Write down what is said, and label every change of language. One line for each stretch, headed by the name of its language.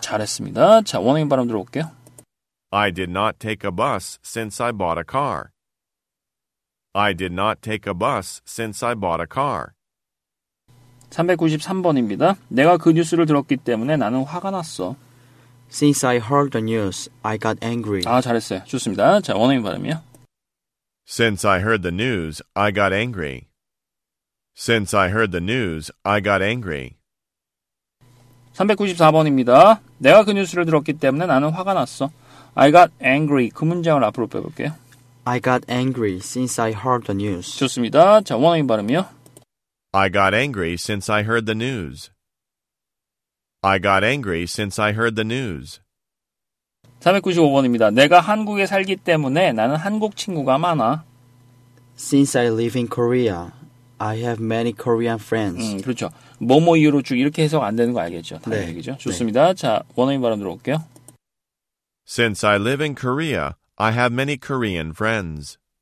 Korean: 잘했습니다. 자, 원어민 발음 들어볼게요.
English: I did not take a bus since I bought a car. I did not take a bus since I bought a car.
Korean: 393번입니다. 내가 그 뉴스를 들었기 때문에 나는 화가 났어.
English: Since I heard the news, I got angry.
Korean: 아, 잘했어요. 좋습니다. 자, 원어민 발음이요.
English: Since I heard the news, I got angry. Since I heard the news, I got angry.
Korean: 394번입니다. 내가 그 뉴스를 들었기 때문에 나는 화가 났어.
English: I got angry.
Korean: 그 문장을 앞으로 빼볼게요.
English: I got angry since I heard the news.
Korean: 좋습니다. 자, 원어민 발음이요.
English: I got angry since I heard the news. I got angry since I heard the news.
Korean: 395번입니다. 내가 한국에 살기 때문에 나는 한국 친구가 많아.
English: Since I live in Korea, I have many Korean friends.
Korean: 그렇죠. 뭐뭐 이유로 쭉 이렇게 해석 안 되는 거 알겠죠. 다 네. 얘기죠. 좋습니다. 네. 자, 원어민 발음 들어볼게요.
English: Since I live in Korea, I have many Korean friends.